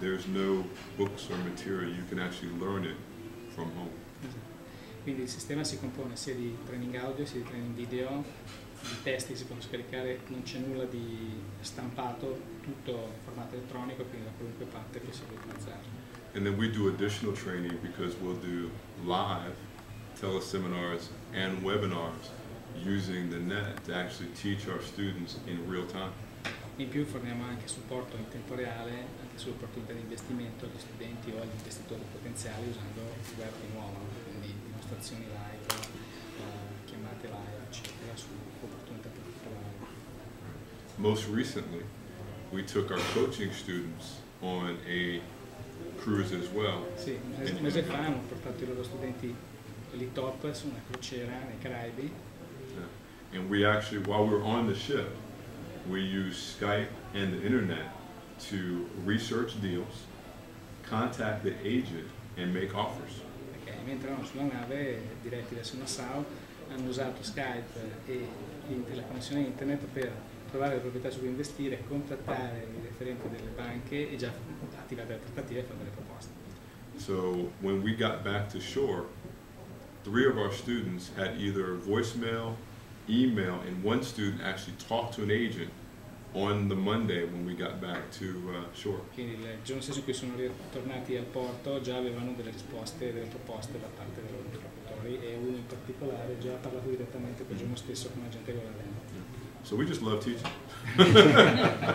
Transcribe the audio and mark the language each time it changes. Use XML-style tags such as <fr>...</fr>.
<en>There's no books or material. You can actually learn it from home.</en> <it>Quindi il sistema si compone sia di training audio, sia di training video, di testi che si possono scaricare, non c'è nulla di stampato, tutto in formato elettronico, quindi da qualunque parte che si può utilizzare.</it> <en>And then we do additional training because we'll do live teleseminars and webinars using the net to actually teach our students in real time.</en> <it>In più forniamo anche supporto in tempo reale, anche sull'opportunità di investimento agli studenti o agli investitori potenziali usando il web di nuovo, quindi dimostrazioni live, chiamate live, eccetera, su opportunità particolari.</it> <en>Most recently, we took our coaching students on a cruise as well.</en> <it>Sì, un mese fa hanno portato i loro studenti lì top su una crociera nei Caraibi.</it> <en>Yeah. And we actually, while we're on the ship, we use Skype and the internet to research deals, contact the agent, and make offers.</en> <it>Okay, mentre erano sulla nave, diretti verso Nassau, hanno usato Skype e la connessione internet per trovare le proprietà su cui investire, contattare i referenti delle banche e già attivare le trattative e fare delle proposte.</it> <en>So, when we got back to shore, three of our students had either voicemail, email, and one student actually talked to an agent on the Monday when we got back to shore.</en> <it>Quindi il giorno stesso in cui sono ritornati al porto già avevano delle risposte, delle proposte da parte dei loro interlocutori, e uno in particolare già ha parlato direttamente quel giorno stesso con l'agente governativo.</it> <en>Yeah. So we just love teaching.</en>